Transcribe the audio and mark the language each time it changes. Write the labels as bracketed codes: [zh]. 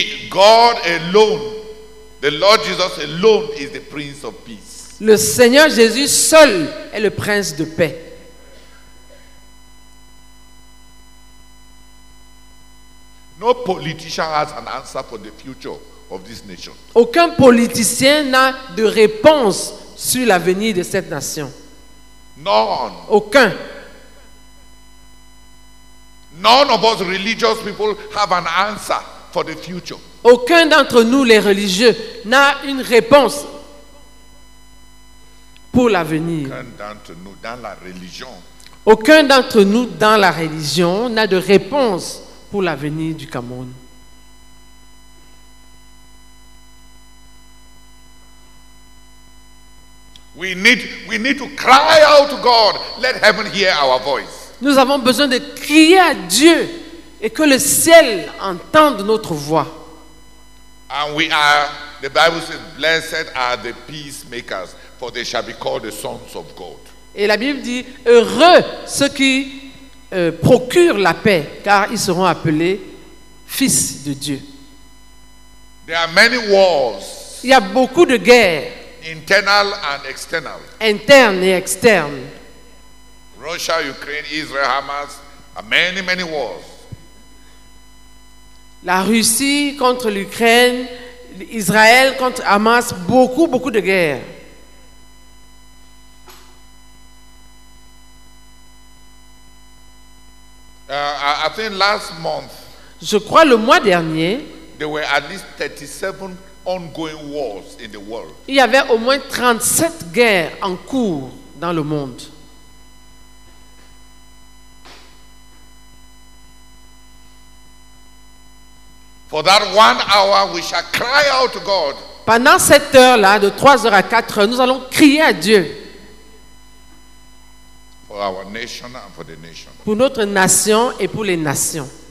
[en] God alone, the Lord Jesus alone is the Prince of Peace. [fr] Le Seigneur Jésus seul est le Prince de paix. [en] No politician has an answer for the future of this nation. [fr] Aucun politicien n'a de réponse sur l'avenir de cette nation. [en] None. [fr] Aucun. [en] None of us religious people have an answer for the future. [fr] Aucun d'entre nous, les religieux, n'a une réponse pour l'avenir. Aucun d'entre nous dans la religion. Aucun d'entre nous dans la religion n'a de réponse pour l'avenir du Cameroun. [en] We need to cry out to God. Let heaven hear our voice. [fr] Nous avons besoin de crier à Dieu et que le ciel entende notre voix. [en] And we are, the Bible says, blessed are the peacemakers, for they shall be called the sons of God. [fr] Et la Bible dit, heureux ceux qui procurent la paix, car ils seront appelés fils de Dieu. [en] There are many wars. [fr] Il y a beaucoup de guerres. [en] Internal and external. [fr] Internes et externes. [en] Russia, Ukraine, Israel, Hamas, many, many wars. [fr] La Russie contre l'Ukraine, Israël contre Hamas, beaucoup, beaucoup de guerres. [en] I think last month, [fr] je crois le mois dernier, [en] there were at least 37 ongoing wars in the world. [fr] Il y avait au moins 37 guerres en cours dans le monde. [en] For that 1 hour, we shall cry out to God. [fr] Pendant cette heure-là, de 3h à 4h, nous allons crier à Dieu. [en] For our nation and for the nation. [fr] Pour notre nation et pour les nations.